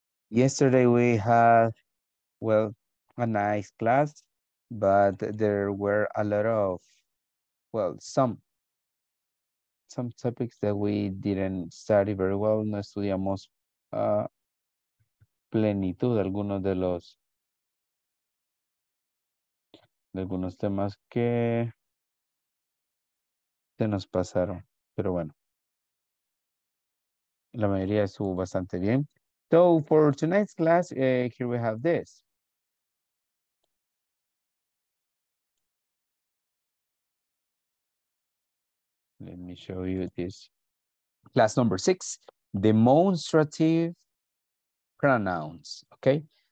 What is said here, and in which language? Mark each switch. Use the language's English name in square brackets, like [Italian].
[English] Yesterday we had, well, a nice class, but there were a lot of, well, some topics that we didn't study very well. [Spanish] No estudiamos plenitud algunos temas que se nos pasaron, pero bueno, la mayoría estuvo bastante bien. [English] So for tonight's class, here we have this. Let me show you this. Class number 6, demonstrative pronouns, okay?